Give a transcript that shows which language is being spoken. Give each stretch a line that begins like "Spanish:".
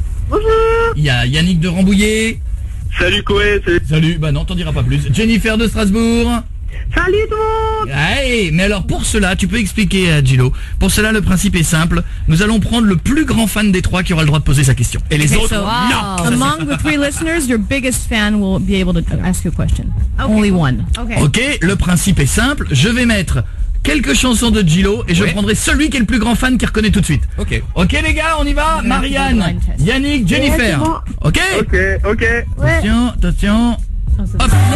French: Bonjour. Il y a Yannick de Rambouillet. Salut Coé. Salut. Bah non, t'en diras pas plus. Jennifer de Strasbourg. Salut tout le monde. Hey, mais alors pour cela, tu peux expliquer à Gillo. Pour cela, le principe est simple. Nous allons prendre le plus grand fan des trois qui aura le droit de poser sa question. Et les autres, non.
English: Among the three listeners, your biggest fan will be able to ask you a question. Okay. Only one.
French: Okay. Le principe est simple. Je vais mettre quelques chansons de Gillo et je prendrai celui qui est le plus grand fan qui reconnaît tout de suite. Ok. Ok les gars, on y va. Marianne, Yannick, Jennifer. Ok. Ok. Attention. Hop.